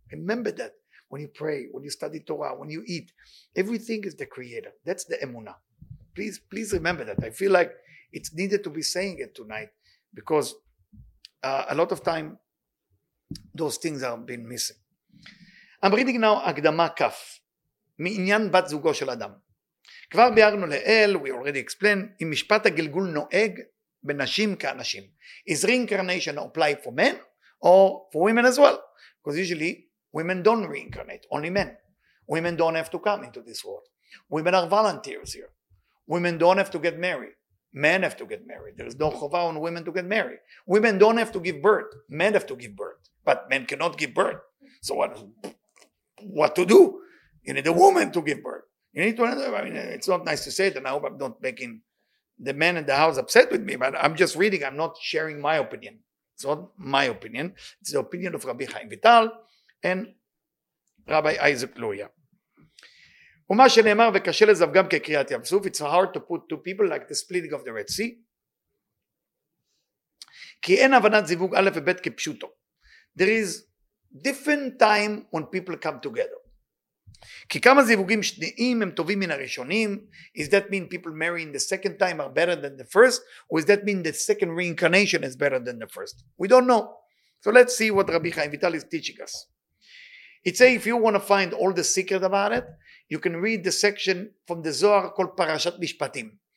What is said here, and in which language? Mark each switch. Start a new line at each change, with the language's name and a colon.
English: Remember that when you pray, when you study Torah, when you eat, everything is the Creator. That's the Emunah. Please, please remember that. I feel like it's needed to be saying it tonight because a lot of time those things have been missing. I'm reading now Akdama Kaf,
Hebrew: מעניין בת זוגו של אדם. כבר ביארנו לאל,
English: we already explained,
Hebrew: אם משפט הגלגול נוהג בנשים כאנשים.
English: Is reincarnation apply for men or for women as well? Because usually women don't reincarnate, only men. Women don't have to come into this world. Women are volunteers here. Women don't have to get married. Men have to get married. There is no chova on women to get married. Women don't have to give birth. Men have to give birth. But men cannot give birth. So what to do? You need a woman to give birth. You need to, I mean, it's not nice to say it, and I hope I'm not making the men in the house upset with me, but I'm just reading. I'm not sharing my opinion. It's not my opinion. It's the opinion of Rabbi Chaim Vital and Rabbi Isaac Luria.
Hebrew: ומה שנאמר וקשה לזב גם כקריאת ים סוף,
English: it's hard to put two people like the splitting of the Red Sea,
Hebrew: כי אין הבנת זיווג א' וב' כפשוטו.
English: There is different time when people come together.
Hebrew: כי כמה זיווגים שניים הם טובים מן הראשונים,
English: is that mean people marrying the second time are better than the first, or is that mean the second reincarnation is better than the first? We don't know. So let's see what Rabbi Chaim Vital is teaching us. It says if you want to find all the secret about it, you can read the section from the Zohar called Parashat Mishpatim.